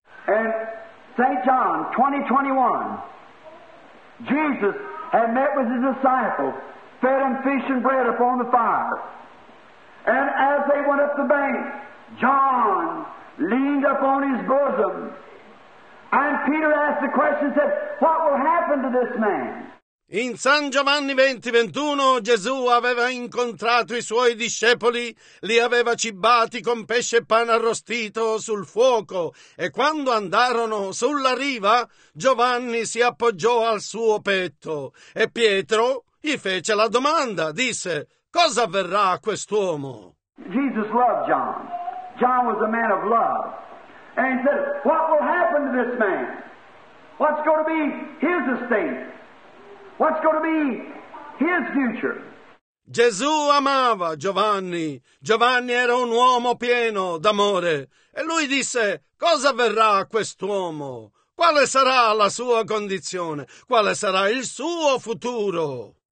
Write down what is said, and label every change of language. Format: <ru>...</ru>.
<en>And St. John 20:21, Jesus had met with his disciples, fed them fish and bread upon the fire. And as they went up the bank, John leaned upon his bosom. And Peter asked the question, said, what will happen to this man?</en> <it>In San Giovanni 20:21, Gesù aveva incontrato i suoi discepoli, li aveva cibati con pesce e pane arrostito sul fuoco, e quando andarono sulla riva, Giovanni si appoggiò al suo petto, e Pietro gli fece la domanda, disse, cosa avverrà a quest'uomo?</it> <en>Jesus loved John. John was a man of love. And he said, what will happen to this man? What's going to be his estate? What's going to be his future?</en> <it>Gesù amava Giovanni. Giovanni era un uomo pieno d'amore. E lui disse, cosa verrà a quest'uomo? Quale sarà la sua condizione? Quale sarà il suo futuro?</it>